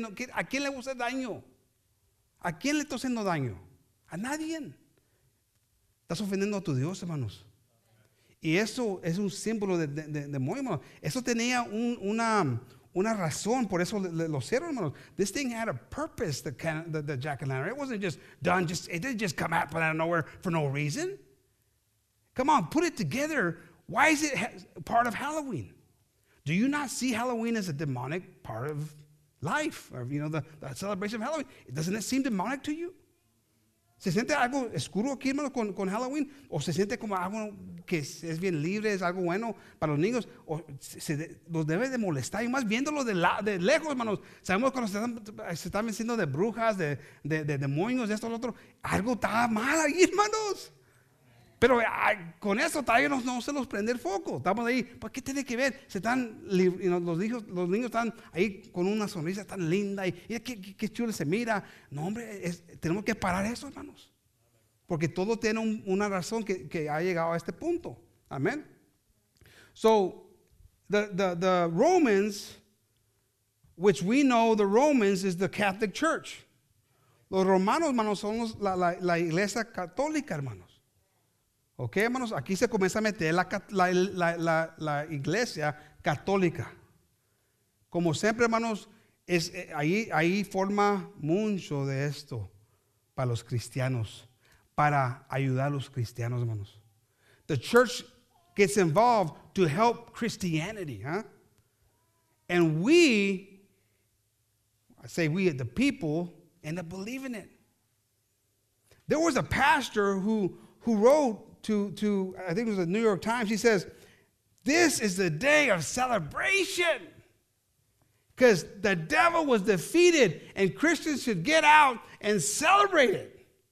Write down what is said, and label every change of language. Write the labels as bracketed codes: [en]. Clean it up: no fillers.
[es] No, ¿a quién le voy a hacer daño? ¿A quién le estoy haciendo daño? A nadie. Estás ofendiendo a tu Dios, hermanos. Y eso es un símbolo de muy malo. Eso tenía una razón, por eso lo hicieron, hermanos. [en] This thing had a purpose, the jack-o'-lantern. It wasn't just done, it didn't just come out of nowhere for no reason. Come on, put it together. Why is it part of Halloween? Do you not see Halloween as a demonic part of life? Or, you know, the celebration of Halloween? Doesn't it seem demonic to you? [es] ¿Se siente algo oscuro aquí, hermano, con Halloween? ¿O se siente como algo que es bien libre, es algo bueno para los niños? ¿O los debe de molestar? Y más viéndolo de lejos, hermanos. Sabemos cuando se están vestiendo de brujas, de demonios, de esto, de lo otro. Algo está mal ahí, hermanos. Pero con eso todavía no se los prende el foco. Estamos ahí, pues, ¿qué tiene que ver? Se están, los niños están ahí con una sonrisa tan linda. Y qué chulo se mira. No, hombre, tenemos que parar eso, hermanos. Porque todo tiene una razón que ha llegado a este punto. Amén. [en] So, the Romans, which we know the Romans is the Catholic Church. [es] Los romanos, hermanos, son la iglesia católica, hermanos. Ok, hermanos, aquí se comienza a meter la iglesia católica. Como siempre, hermanos, ahí forma mucho de esto para los cristianos, para ayudar a los cristianos, hermanos. [en] The church gets involved to help Christianity, huh? And we, the people, end up believing it. There was a pastor who wrote to I think it was the New York Times, he says, this is the day of celebration because the devil was defeated and Christians should get out and celebrate it.